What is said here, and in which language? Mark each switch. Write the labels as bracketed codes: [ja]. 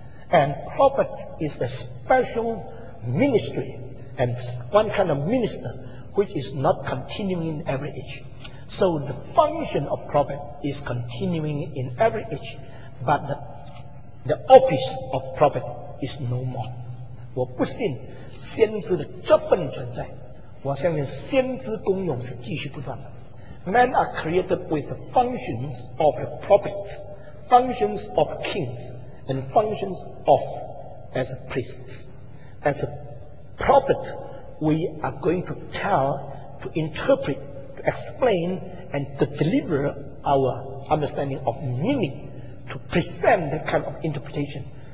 [en] And prophet is a special ministry and one kind of minister which is not continuing in every age. So the function of prophet is continuing in every age, but the office of prophet is no more. [zh] 我不信先知的这份存在，我相信先知功用是继续不断的。 [en] Men are created with the functions of the prophets, functions of kings, and functions of as priests. As aProphet, we are going to tell, to interpret, to explain, and to deliver our understanding of meaning, to present that kind of interpretation.